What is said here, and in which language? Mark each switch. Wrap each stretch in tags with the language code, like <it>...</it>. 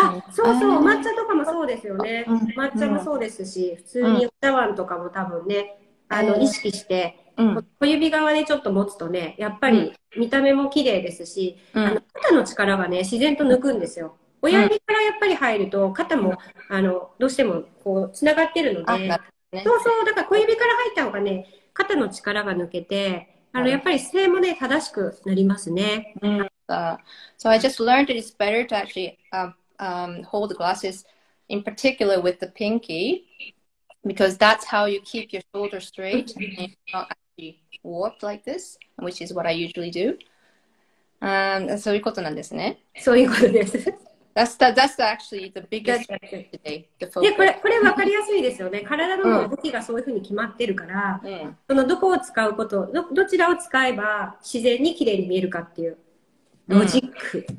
<ja>あ、そうそう、お抹茶とかもそうですよね。抹茶もそうですし、普通にお茶碗とかも多分ね、意識して、小指側でちょっと持つとね、やっぱり見た目も綺麗ですし、肩の力がね、自然と抜くんですよ。親指からやっぱり入ると、肩も、どうしても、こう、つながってるので、そうそう、だから小指から入った方がね、肩の力が抜けて、やっぱり姿勢もね、正しくなりますね。</ja> <en>So I just learned that it's better to actually hold the glasses in particular with the pinky. Because that's how you keep your shoulder straight and it's not actually warped like this, which is what I usually do.</en> <ja>そういうことなんですね。そういうことです。</ja> <en>That's actually the biggest thing today. The focus.</en> <ja>これ分かりやすいですよね。体の動きがそういうふうに決まってるから、そのどこを使うこと、どちらを使えば自然にきれいに見えるかっていうロジック。</ja>